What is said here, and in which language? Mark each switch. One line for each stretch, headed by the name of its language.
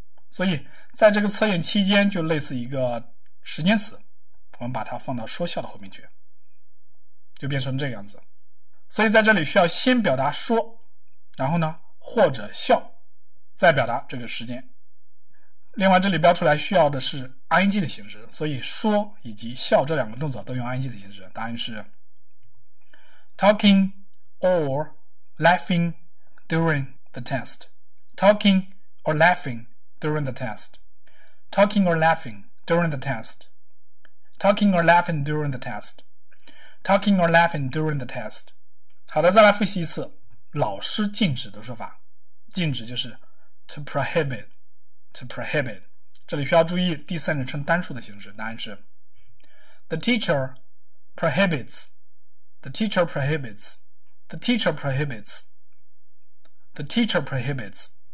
Chinese: 所以在这个测验期间就类似一个时间词，我们把它放到说笑的后面去，就变成这个样子。所以在这里需要先表达说，然后呢或者笑，再表达这个时间。另外这里标出来需要的是 ing 的形式，所以说以及笑这两个动作都用 ing 的形式，答案是
English: talking or laughing during the test, talking or laughing during the test, talking or laughing during the test, talking or laughing during the test, talking or laughing during the test。
Chinese: 好的，再来复习一次老师禁止的说法。禁止就是
English: to prohibit,to prohibit,
Chinese: 这里需要注意第三人称单数的形式，答案是
English: the teacher prohibits, the teacher prohibits, the teacher prohibits, the teacher prohibits。